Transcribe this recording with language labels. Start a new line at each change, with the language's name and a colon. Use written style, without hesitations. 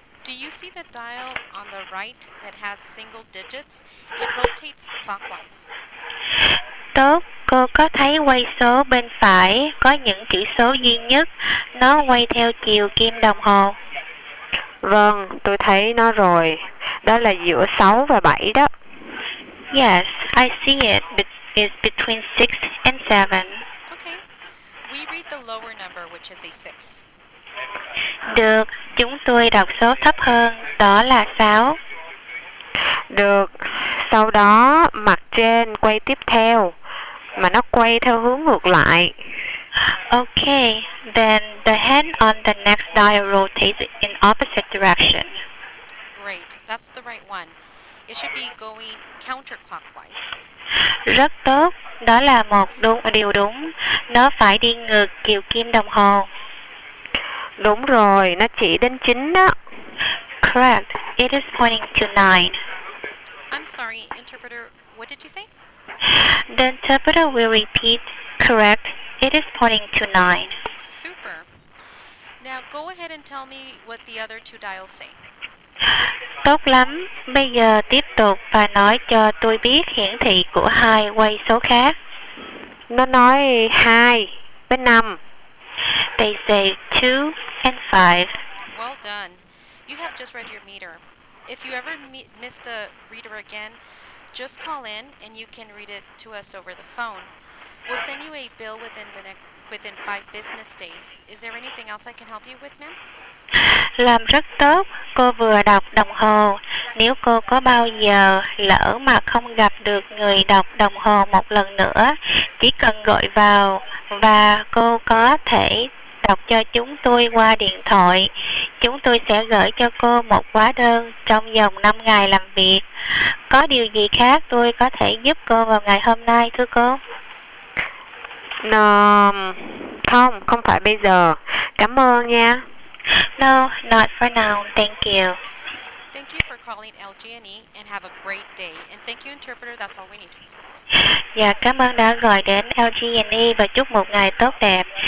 English: Do you see the dial on the right that has single digits? It rotates clockwise.
Vietnamese: Tốt, cô có thấy quay số bên phải có những chữ số duy nhất, nó quay theo chiều kim đồng hồ. Vâng, tôi thấy nó rồi. Đó là giữa 6 và 7 đó.
English: Yes, I see it. It's between 6 and 7. Okay, we read the lower number, which is a 6.
Vietnamese: Được, chúng tôi đọc số thấp hơn, đó là 6. Được, sau đó mặt trên quay tiếp theo. Mà nó quay theo hướng ngược lại.
English: Okay, then the hand on the next dial rotates in opposite direction. Great, that's the right one. It should be going counterclockwise.
Vietnamese: Rất tốt, đó là một điều đúng. Nó phải đi ngược chiều kim đồng hồ. Đúng rồi, nó chỉ đến 9 đó.
English: Correct, it is pointing to 9. I'm sorry, interpreter, what did you say? The interpreter will repeat, correct, it is pointing to 9. Super. Now go ahead and tell me what the other two dials say.
Vietnamese: Tốt lắm, bây giờ tiếp tục và nói cho tôi biết hiển thị của hai quay số khác. Nó nói 2 với 5.
English: They say 2 and 5. Well done. You have just read your meter. if you ever miss the reader again, just call in and you can read it to us over the phone. We'll send you a bill within the next, within 5 business days. Is there anything else I can help you with, ma'am?
Vietnamese: Làm rất tốt. Cô vừa đọc đồng hồ. Nếu cô có bao giờ lỡ mà không gặp được người đọc đồng hồ một lần nữa, chỉ cần gọi vào và cô có thể đọc cho chúng tôi qua điện thoại. Chúng tôi sẽ gửi cho cô một hóa đơn trong vòng 5 ngày làm việc. Có điều gì khác tôi có thể giúp cô vào ngày hôm nay, thưa cô? No, không, không phải bây giờ. Cảm ơn nha.
English: No, not for now. Thank you. Thank you for calling LGNE and have a great day. And thank you, interpreter. That's all we need.
Vietnamese: Dạ, cảm ơn đã gọi đến LGNE và chúc một ngày tốt đẹp.